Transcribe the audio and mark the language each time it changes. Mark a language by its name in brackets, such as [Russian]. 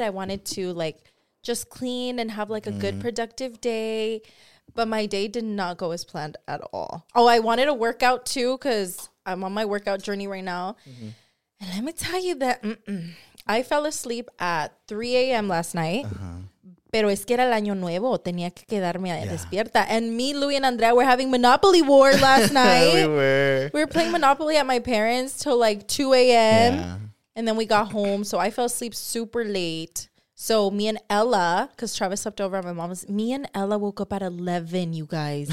[English] I wanted to like just clean and have like a good productive day. But my day did not go as planned at all. Oh, I wanted a workout too because I'm on my workout journey right now. Mm-hmm. And let me tell you that I fell asleep at 3 a.m. last night. [Spanish] Pero es que era el año nuevo. Tenía que quedarme despierta. [English] And me, Louie, and Andrea were having Monopoly War last night. We were playing Monopoly at my parents till like 2 a.m. Yeah. And then we got home. So I fell asleep super late. So me and Ella, because Travis slept over at my mom's, me and Ella woke up at 11, you guys.